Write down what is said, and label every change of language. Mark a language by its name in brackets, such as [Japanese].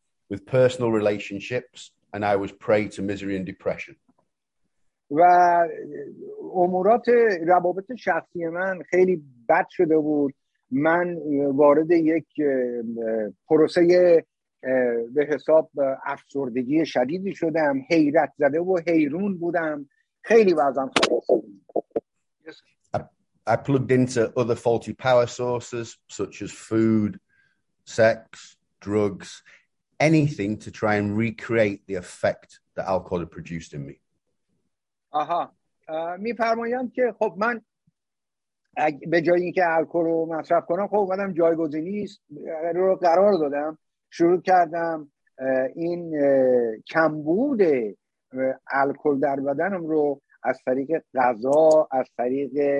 [English] With personal relationships and I was prey to misery and depression. [Persian] و امورات روابط شخصی من خیلی بد شده بود. من وارد یک پروسه به حساب افسردگی شدیدی شدم. حیرت زده و حیرون بودم. خیلی وزن خوب [English] I plugged into other faulty power sources such as food, sex, drugs, anything to try and recreate the effect that alcohol had produced in me. [Persian] آها میفرمایم که خب من به جای اینکه الکل رو مصرف کنم خب اومدم جایگزینی رو قرار دادم شروع کردم این کمبود الکل در بدنم رو از طریق غذا از طریق